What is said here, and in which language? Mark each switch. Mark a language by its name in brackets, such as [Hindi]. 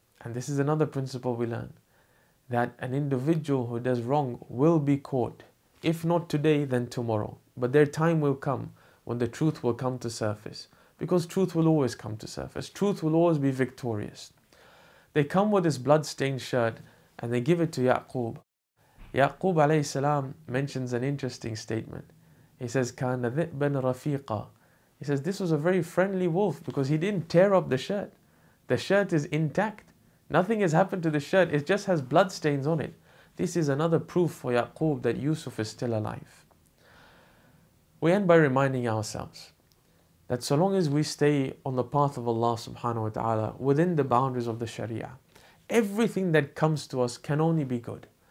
[English] And this is another principle we learn, that an individual who does wrong will be caught, if not today, then tomorrow. But their time will come when the truth will come to surface, because truth will always come to surface. Truth will always be victorious. They come with this blood-stained shirt and they give it to Ya'qub. Ya'qub alayhi salam mentions an interesting statement. [Arabic] He says, كَانَ ذِئْبًا رَفِيقًا. [English] He says, this was a very friendly wolf because he didn't tear up the shirt. The shirt is intact. Nothing has happened to the shirt. It just has blood stains on it. This is another proof for Ya'qub that Yusuf is still alive. We end by reminding ourselves that so long as we stay on the path of Allah subhanahu wa ta'ala within the boundaries of the Sharia, everything that comes to us can only be good.